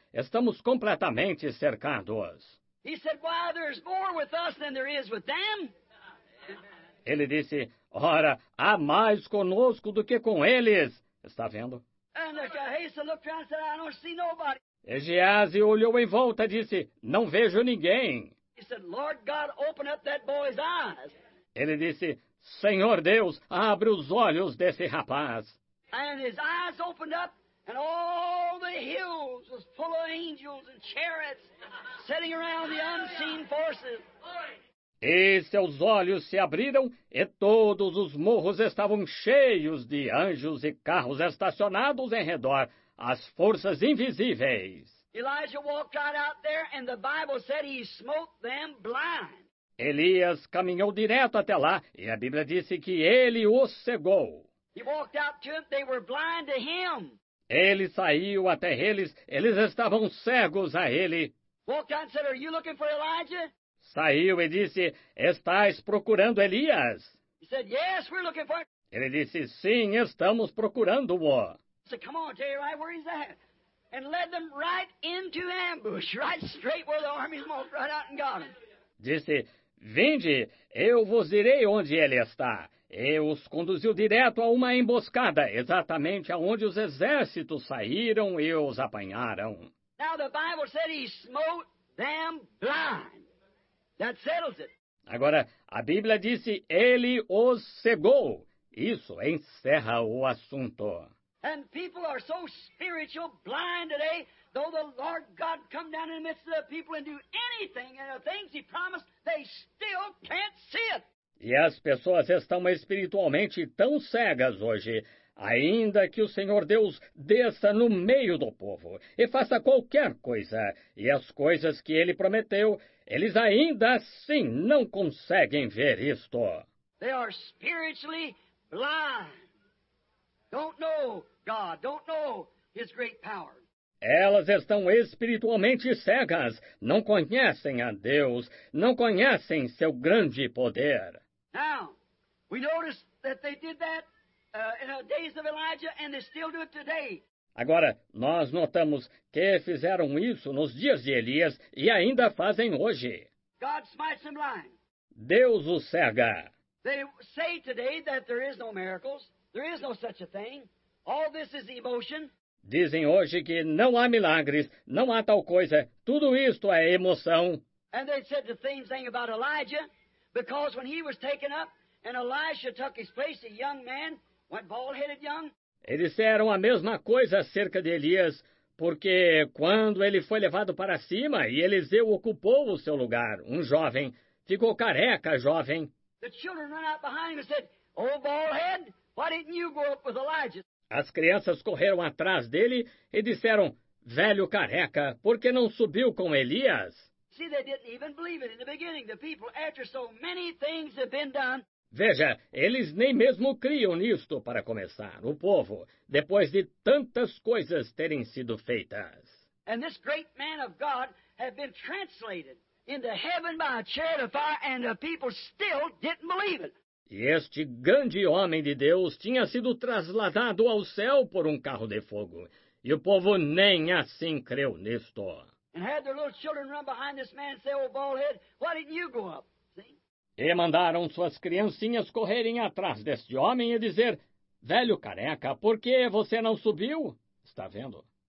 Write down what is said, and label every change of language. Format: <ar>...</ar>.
<pt>Estamos completamente cercados.</pt> <en>He said, why, there's more with us than there is with them.</en> <pt>Ele disse, ora, há mais conosco do que com eles. Está vendo?</pt> <en>And the Gehazi looked around and said, I don't see nobody.</en> <pt>E Gehazi olhou em volta e disse, não vejo ninguém.</pt> <en>He said, Lord God, open up that boy's eyes.</en> <pt>Ele disse, Senhor Deus, abre os olhos desse rapaz.</pt> <en>And his eyes opened up, and all the hills was full of angels and chariots sitting around the unseen forces.</en> <pt>E seus olhos se abriram, e todos os morros estavam cheios de anjos e carros estacionados em redor, as forças invisíveis.</pt> <en>Elijah walked right out there, and the Bible said he smote them blind.</en> <pt>Elias caminhou direto até lá, e a Bíblia disse que ele os cegou.</pt> <en>He walked out to them, they were blind to him.</en> <pt>Ele saiu até eles estavam cegos a ele.</pt> <en>Walked out and said, are you looking for Elijah?</en> <pt>Saiu e disse, estás procurando Elias?</pt> <en>He said, yes, we're looking for him.</en> <pt>Ele disse, sim, estamos procurando-o.</pt> <en>So come on, tell you right where he's at. And led them right into ambush, right straight where the army's moved right out and got him.</en> <pt>Disse, vinde, eu vos direi onde ele está. E os conduziu direto a uma emboscada, exatamente aonde os exércitos saíram e os apanharam.</pt> <en>Now the Bible said he smote them blind. That settles it.</en> <pt>Agora, a Bíblia disse, ele os cegou. Isso encerra o assunto.</pt> <en>And people are so spiritual blind today, though the Lord God come down in the midst of the people and do anything and the things he promised, they still can't see it.</en> <pt>E as pessoas estão espiritualmente tão cegas hoje, Ainda que o Senhor Deus desça no meio do povo e faça qualquer coisa, e as coisas que ele prometeu, eles ainda assim não conseguem ver isto.</pt> <en>They are spiritually blind. Don't know God, don't know his great power.</en> <pt>Elas estão espiritualmente cegas, não conhecem a Deus, não conhecem seu grande poder.</pt> <en>Now, we notice that they did that in the days of Elijah, and they still do it today.</en> <pt>Agora, nós notamos que fizeram isso nos dias de Elias e ainda fazem hoje.</pt> <en>God smites them blind.</en> <pt>Deus os cega.</pt> <en>They say today that there is no miracles, there is no such a thing. All this is emotion.</en> <pt>Dizem hoje que não há milagres, não há tal coisa, tudo isto é emoção.</pt> <en>And they said the same thing about Elijah, because when he was taken up and Elisha took his place, a young man went bald-headed young.</en> <pt>E disseram a mesma coisa acerca de Elias, porque quando ele foi levado para cima e Eliseu ocupou o seu lugar, um jovem, ficou careca, jovem.</pt> <en>The children ran out behind him and said, "Oh, bald head, why didn't you go up with Elijah?"</en> <pt>As crianças correram atrás dele e disseram, "Velho careca, por que não subiu com Elias?"</pt> <en>See, they didn't even believe it in the beginning. The people, after so many things have been done.</en> <pt>Veja, eles nem mesmo criam nisto para começar, o povo, depois de tantas coisas terem sido feitas.</pt> <en>And this great man of God had been translated into heaven by a chariot of fire, and the people still didn't believe it.</en> <pt>E este grande homem de Deus tinha sido trasladado ao céu por um carro de fogo, e o povo nem assim creu nisto.</pt> <en>And had their little children run behind this man and say, "Oh, bald head, why didn't you go up?"</en> <pt>E mandaram suas criancinhas correrem atrás deste homem e dizer, "Velho careca, por que você não subiu?" Está vendo?</pt>